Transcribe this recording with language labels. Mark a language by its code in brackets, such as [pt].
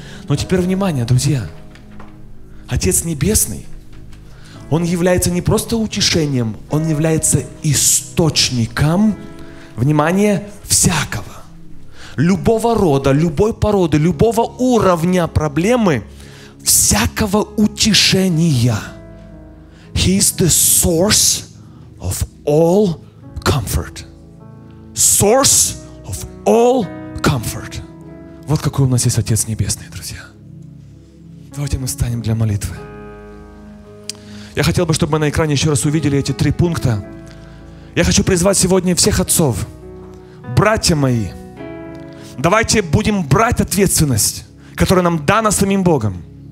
[ru] Но теперь внимание, друзья. Отец Небесный, он является не просто утешением, он является источником, внимание, всякого. Любого рода, любой породы, любого уровня проблемы, всякого утешения. [en] He is the source of all comfort. Source of all comfort. [ru] Вот какой у нас есть Отец Небесный, друзья. Давайте мы встанем для молитвы. Я хотел бы, чтобы мы на экране еще раз увидели эти три пункта. Я хочу призвать сегодня всех отцов. Братья мои, давайте будем брать ответственность, которая нам дана самим Богом.